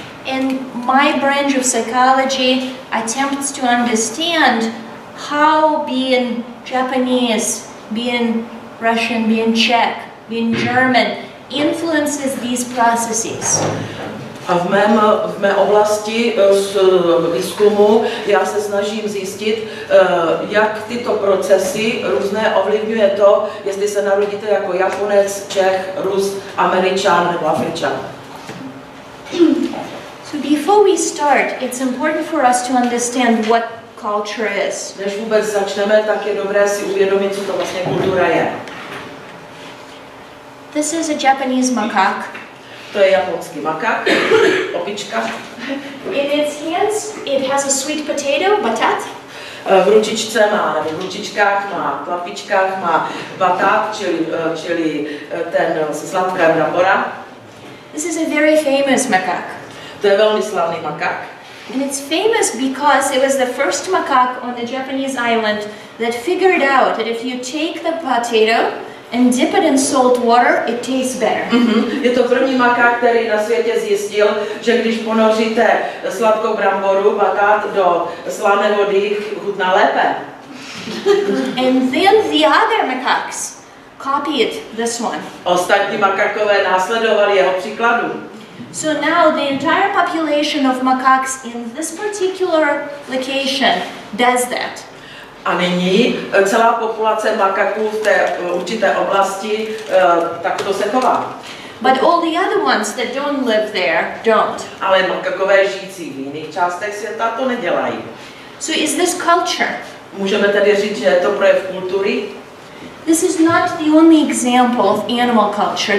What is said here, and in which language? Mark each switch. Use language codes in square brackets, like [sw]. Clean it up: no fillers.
[en] And my branch of psychology attempts to understand how being Japanese, being Russian, being Czech, being German, influences these processes. [cs] A v mé oblasti výzkumu já se snažím zjistit, jak tyto procesy různé ovlivňuje to, jestli se narodíte jako Japonec, Čech, Rus, Američan nebo Afričan. [en] before we start, it's important for us to understand what culture is. [cs] Než vůbec začneme, tak je dobré si uvědomit, co to vlastně kultura je. [en] This is a Japanese macaque. [cs] To je japonský makák, opička. [en] In its hands, it has a sweet potato, batat. [cs] V ručičce má, nebo v ručičkách má, v klapičkách má batat, čili ten sladká brambora. [en] This is a very famous macaque. [cs] To je velmi slavný makák. [en] And it's famous because it was the first macaque on the Japanese island that figured out that if you take the potato and dip it in salt water, it tastes better. Mm-hmm. [cs] Je to první makák, který na světě zjistil, že když ponoříte sladkou bramboru, batát, do slané vody, chutná lépe. [en] And then the other macaques copied this one. [cs] Ostatní makakové následovali jeho příkladu. [en] So now the entire population of macaques in this particular location does that. [cs] A nyní celá populace makaků v té určité oblasti takto se chová. [en] But all the other ones that don't live there don't. [cs] Ale makakové žijící v jiných částech světa to nedělají. [en] So is this culture? [cs] Můžeme tedy říct, že je to projev kultury? [en] This is not the only example of animal culture.